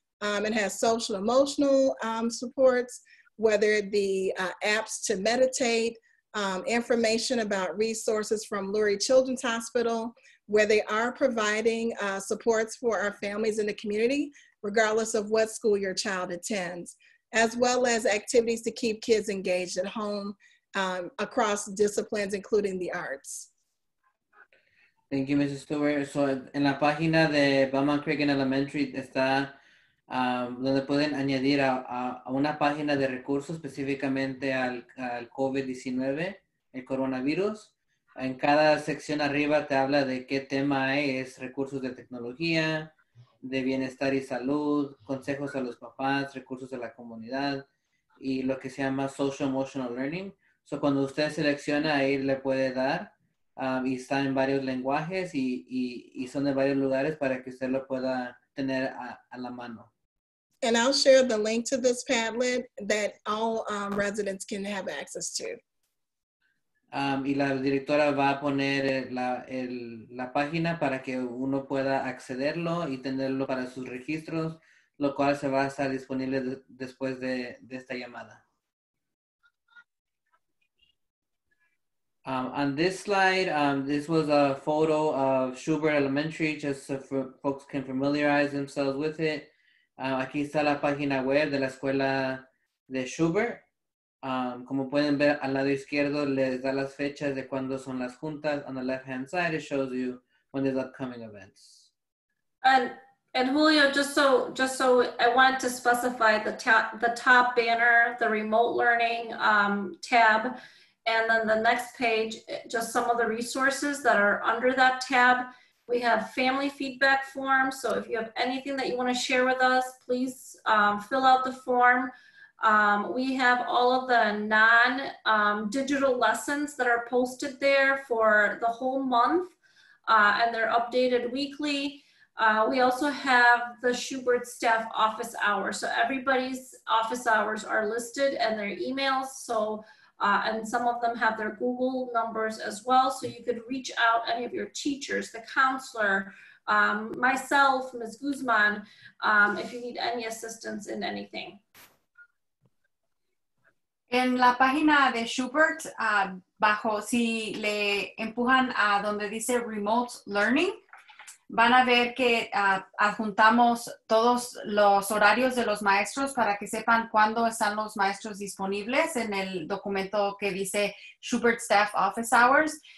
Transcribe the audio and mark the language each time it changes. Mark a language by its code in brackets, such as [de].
[en] It has social emotional supports, whether it be apps to meditate, information about resources from Lurie Children's Hospital, where they are providing supports for our families in the community, regardless of what school your child attends, as well as activities to keep kids engaged at home across disciplines, including the arts. Thank you, Mrs. Stewart. [es] So, en la página de Belmont Cragen Elementary está donde pueden añadir a una página de recursos específicamente al COVID-19, el coronavirus. En cada sección arriba te habla de qué tema es recursos de tecnología, de bienestar y salud, consejos a los papás, recursos de la comunidad y lo que se llama social emotional learning. So cuando usted selecciona, ahí le puede dar y está en varios lenguajes y son de varios lugares para que usted lo pueda tener a la mano. [en] And I'll share the link to this Padlet that all residents can have access to. [es] Y la directora va a poner la página para que uno pueda accederlo y tenerlo para sus registros, lo cual se va a estar disponible después de esta llamada. [en] On this slide, this was a photo of Schubert Elementary, just so folks can familiarize themselves with it. [es] Aquí está la página web de la escuela de Schubert. Como pueden ver, al lado izquierdo les da las fechas de cuándo son las juntas. [en] On the left-hand side, it shows you when there's upcoming events. And Julio, just so I wanted to specify the top banner, the remote learning tab, and then the next page, just some of the resources that are under that tab. We have family feedback form. So if you have anything that you want to share with us, please fill out the form. We have all of the non-digital lessons that are posted there for the whole month, and they're updated weekly. We also have the Schubert staff office hours. So everybody's office hours are listed and their emails. So and some of them have their Google numbers as well. So you could reach out any of your teachers, the counselor, myself, Ms. Guzman, if you need any assistance in anything. [es] En la página de Schubert, bajo, si le empujan a donde dice Remote Learning, van a ver que adjuntamos todos los horarios de los maestros para que sepan cuándo están los maestros disponibles en el documento que dice Schubert Staff Office Hours.